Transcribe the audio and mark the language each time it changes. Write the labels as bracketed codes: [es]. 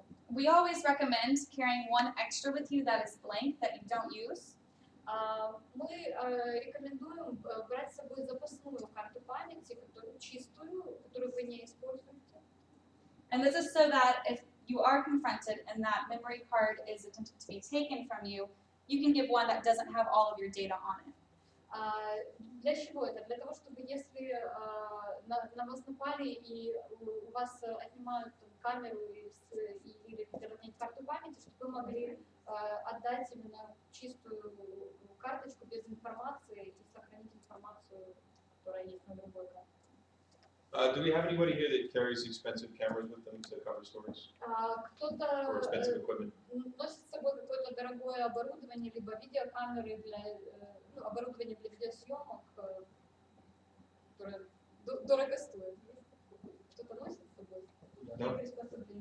[en] We always recommend carrying one extra with you that is blank, that you don't use. [ru] Мы рекомендуем брать с собой запасную карту памяти, которую чистую, которую вы не используете. [en] And this is so that if you are confronted and that memory card is attempted to be taken from you, you can give one that doesn't have all of your data on it. [ru] Для чего это? Для того, чтобы если на вас напали и у вас отнимают камеру или вернуть карту памяти, чтобы вы могли отдать именно чистую карточку без информации и сохранить информацию, которая есть на другой карте. [en] Do we have anybody here that carries expensive cameras with them to cover stories? [ru] Кто-то носит с собой какое-то дорогое оборудование, либо видеокамеры для оборудование для видеосъемок, которое дорого стоит. Кто-то носит с собой?